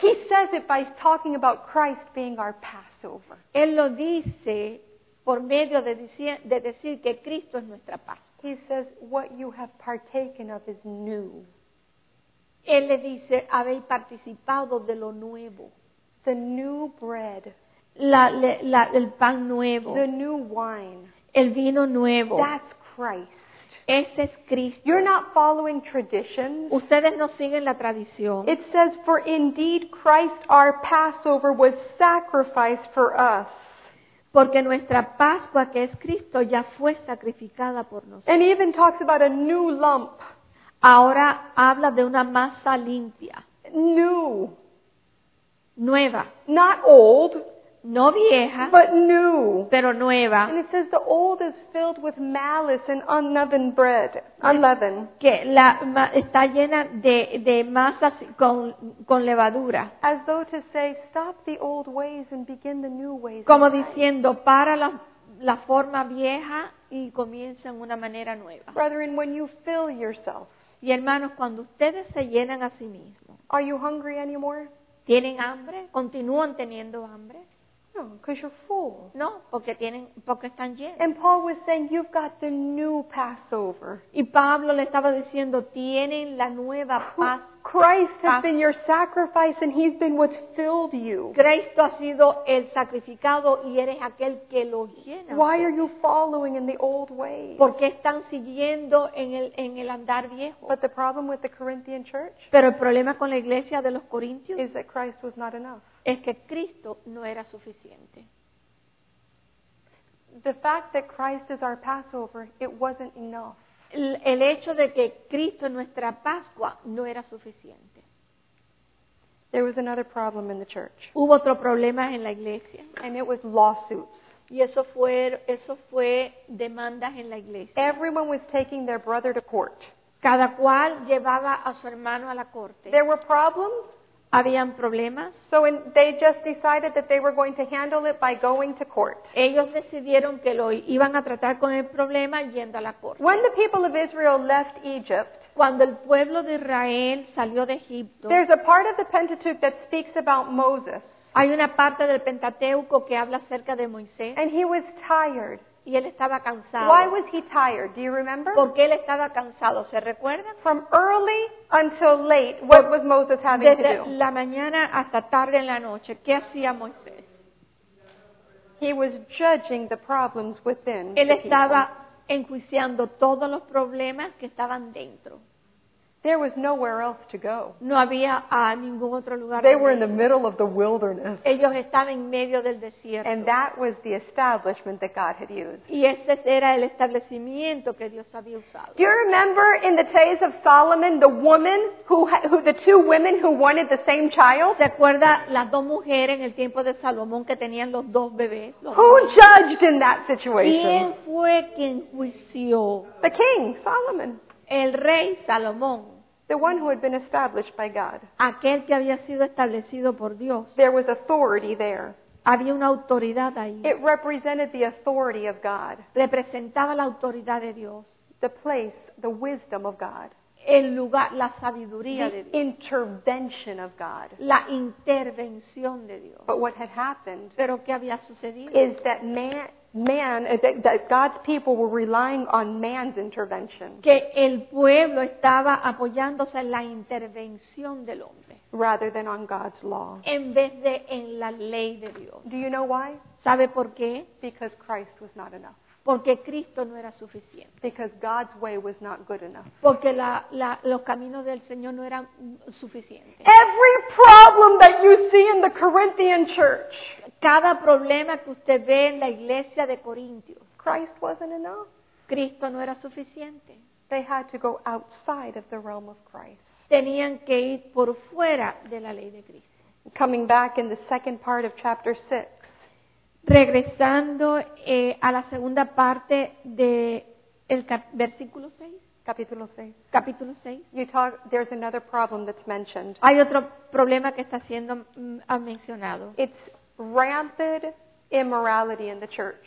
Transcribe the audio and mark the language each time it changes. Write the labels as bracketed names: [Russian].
[English] He says it by talking about Christ being our Passover. [Spanish] Él lo dice por medio de decir que Cristo es nuestra Pascua. [English] He says what you have partaken of is new. [Spanish] Él le dice habéis participado de lo nuevo. [English] The new bread. [Spanish] El pan nuevo. [English] The new wine. [Spanish] El vino nuevo. [English] That's Christ. [Spanish] Ese es Cristo. [English] You're not following traditions. [Spanish] Ustedes no siguen la tradición. [English] It says, for indeed Christ our Passover was sacrificed for us. [Spanish] Porque nuestra Pascua, que es Cristo, ya fue sacrificada por nosotros. [English] And he even talks about a new lump. [Spanish] Ahora habla de una masa limpia. [English] New. [Spanish] nueva. [English] Not old, [Spanish] no vieja, [English] but new, [Spanish] pero nueva. [English] And it says the old is filled with malice and unleavened bread, unleavened. [Spanish] Que la está llena de masas con levadura. [English] As though to say, stop the old ways and begin the new ways. [Spanish] Como diciendo, para la forma vieja y comienza en una manera nueva. [English] Brethren, when you fill yourself, [Spanish] y hermanos, cuando ustedes se llenan a sí mismos, [English] are you hungry anymore? [Spanish] ¿Tienen hambre? ¿Continúan teniendo hambre? [English] No, because you're full. [Spanish] No, porque están llenos. [English] And Paul was saying, you've got the new Passover. [Spanish] Y Pablo le estaba diciendo, tienen la nueva Pascua. [English] Christ has been your sacrifice and he's been what's filled you. [Spanish] Cristo ha sido el sacrificado y eres aquel que lo llena. [English] Why are you following in the old ways? [Spanish] ¿Por qué están siguiendo en el andar viejo? [English] But the problem with the Corinthian church, [Spanish] pero el problema con la iglesia de los corintios, [English] is that Christ was not enough. [Spanish] Es que Cristo no era suficiente. [English] The fact that Christ is our Passover, it wasn't enough. [Spanish] El hecho de que Cristo es nuestra Pascua no era suficiente. [English] There was another problem in the church. [Spanish] Hubo otro problema en la iglesia. [English] And it was lawsuits. [Spanish] Y eso fue demandas en la iglesia. [English] Everyone was taking their brother to court. [Spanish] Cada cual llevaba a su hermano a la corte. [English] There were problems. [Spanish] Habían problemas. [English] So they just decided that they were going to handle it by going to court. [Spanish] Ellos decidieron que lo iban a tratar con el problema yendo a la corte. [English] When the people of Israel left Egypt, [Spanish] cuando el pueblo de Israel salió de Egipto, [English] there's a part of the Pentateuch that speaks about Moses. [Spanish] Hay una parte del Pentateuco que habla acerca de Moisés. [English] And he was tired. [Spanish] Y él estaba cansado. [English] Why was he tired? Do you remember? [Spanish] ¿Por qué él estaba cansado? ¿Se recuerdan? [English] From early until late, what was Moses having [Spanish] desde [English] to do? [Spanish] La mañana hasta tarde en la noche, ¿qué hacía Moisés? [English] He was judging the problems within. [Spanish] Él estaba enjuiciando todos los problemas que estaban dentro. [English] There was nowhere else to go. [Spanish] No había a ningún otro lugar. [English] They were in the middle of the wilderness. [Spanish] Ellos estaban en medio del desierto. [English] And that was the establishment that God had used. [Spanish] Y ese era el establecimiento que Dios había usado. [English] Do you remember in the days of Solomon, the woman who the two women who wanted the same child? [Spanish] ¿Se acuerda las dos mujeres en el tiempo de Salomón que tenían los dos bebés? [English] Who judged in that situation? [Spanish] ¿Quién fue quien juició? [English] The king, Solomon. [Spanish] El rey Salomón, [English] the one who had been established by God, [Spanish] aquel que había sido establecido por Dios, [English] there was authority there. [Spanish] Había una autoridad ahí. [English] It represented the authority of God. [Spanish] Representaba la autoridad de Dios. [English] The place, the wisdom of God. [Spanish] El lugar, la sabiduría [English] the [Spanish] de Dios. [English] Intervention of God. [Spanish] La intervención de Dios. [English] But what had happened? [Spanish] Pero qué había sucedido? [English] Is that man, that God's people were relying on man's intervention. [Spanish] Que el pueblo estaba apoyándose en la intervención del hombre. [English] Rather than on God's law. [Spanish] En vez de en la ley de Dios. [English] Do you know why? [Spanish] ¿Sabe por qué? [English] Because Christ was not enough. [Spanish] Porque Cristo no era suficiente. [English] Because God's way was not good enough. [Spanish] Porque los caminos del Señor no eran suficientes. [English] Every problem that you see in the Corinthian church. [Spanish] Cada problema que usted ve en la iglesia de Corintios. [English] Christ wasn't enough. [Spanish] Cristo no era suficiente. [English] They had to go outside of the realm of Christ. [Spanish] Tenían que ir por fuera de la ley de Cristo. [English] Coming back in the second part of chapter 6. [Spanish] Regresando a la segunda parte del versículo 6. Capítulo 6. Capítulo 6. [English] There's another problem that's mentioned. [Spanish] Hay otro problema que está siendo mencionado. [English] It's rampant immorality in the church.